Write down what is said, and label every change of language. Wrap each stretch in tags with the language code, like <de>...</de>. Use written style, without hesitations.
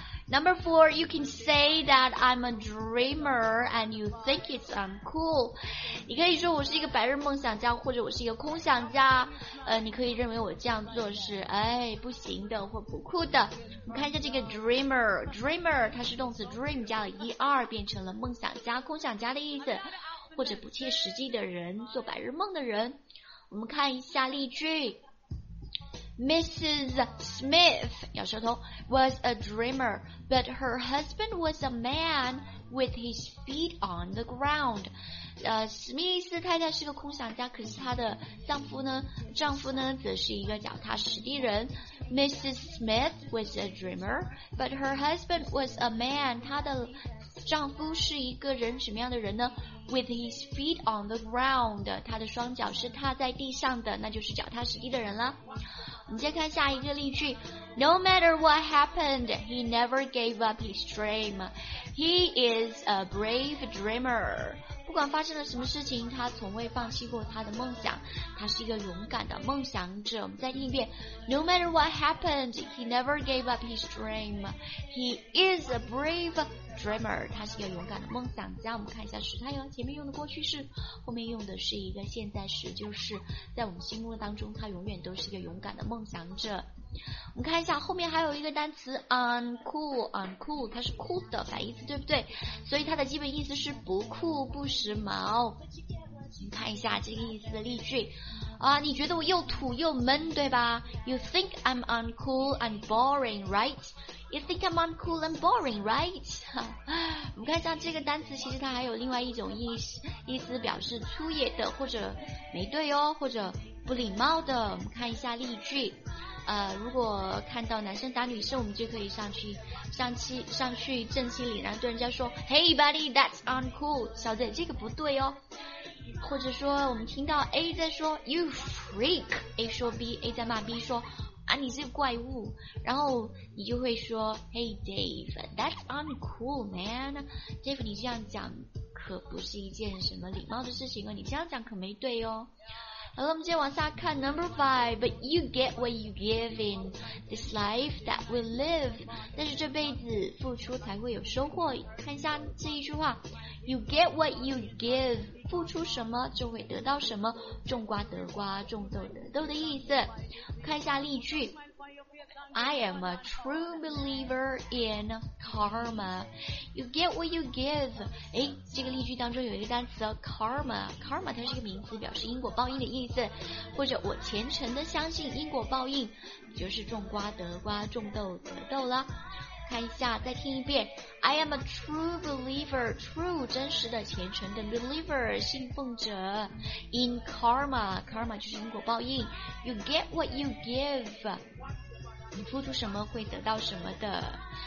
<en>Number four， You can say that I'm a dreamer and you think it's uncool，</en> <zh>你可以说我是一个白日梦想家，或者我是一个空想家，你可以认为我这样做是不行的或不酷的。我们看一下这个 dreamer， 它是动词 dream 加了 er 变成了梦想家空想家的意思，或者不切实际的人，做白日梦的人。我们看一下例句，</zh> <en>Mrs. Smith</en> <zh>咬舌头</zh> <en>was a dreamer but her husband was a man with his feet on the ground。</en> <zh>史密斯太太是个空想家，可是她的丈夫呢则是一个脚踏实地人。</zh> <en>Mrs. Smith was a dreamer but her husband was a man，</en> <zh>她的丈夫是一个人，什么样的人呢？</zh> <en>With his feet on the ground，</en> <zh>他的双脚是踏在地上的，那就是脚踏实地的人了。我们再看下一个例句，</zh> <en>No matter what happened he never gave up his dream， He is a brave dreamer，</en> <zh>不管发生了什么事情他从未放弃过他的梦想，他是一个勇敢的梦想者。我们再听一遍，</zh> <en>No matter what happened he never gave up his dream， He is a brave dreamer，</en> <zh>它是一个勇敢的梦想家。我们看一下时态哟，前面用的过去式，后面用的是一个现在时，就是在我们心目当中，它永远都是一个勇敢的梦想者。我们看一下后面还有一个单词 uncool， 它是酷的反义词，对不对？所以它的基本意思是不酷不时髦。你看一下这个意思的例句啊，你觉得我又土又闷对吧？</zh> <en>You think I'm uncool and boring, right? You think I'm uncool and boring, right?</en> <zh>我们看一下这个单词，其实它还有另外一种意思，表示粗野的或者没对哦，或者不礼貌的。我们看一下例句，如果看到男生打女生，我们就可以上去正气凛然对人家说</zh> <en>Hey buddy, that's uncool，</en> <zh>小姐这个不对哦。或者说我们听到 A 在说</zh> <en>You freak，</en> <zh>A 说 B， A 在骂 B 说啊你是怪物，然后你就会说</zh> <en>Hey Dave, that's uncool man，</en> <zh>Dave 你这样讲可不是一件什么礼貌的事情啊，你这样讲可没对哦。好了，我们接着往下看</zh> <en>Number 5， But you get what you give in this life that we live，</en> <zh>但是这辈子付出才会有收获。看一下这一句话，</zh> <en>You get what you give，</en> <zh>付出什么就会得到什么，种瓜得瓜，种豆得豆的意思。看一下例句，</zh> <en>I am a true believer in karma， You get what you give。</en> <zh>诶，这个例句当中有一个单词 karma， 它是一个名词，表示因果报应的意思，或者我虔诚的相信因果报应，就是种瓜得瓜，种豆得豆啦。看一下，再听一遍，</zh> <en>I am a true believer，</en> <zh>true 真实的虔诚的 believer 信奉者， in karma， karma 就是因果报应，</zh> <en>you get what you give，</en> <zh>你付出什么会得到什么的。</zh>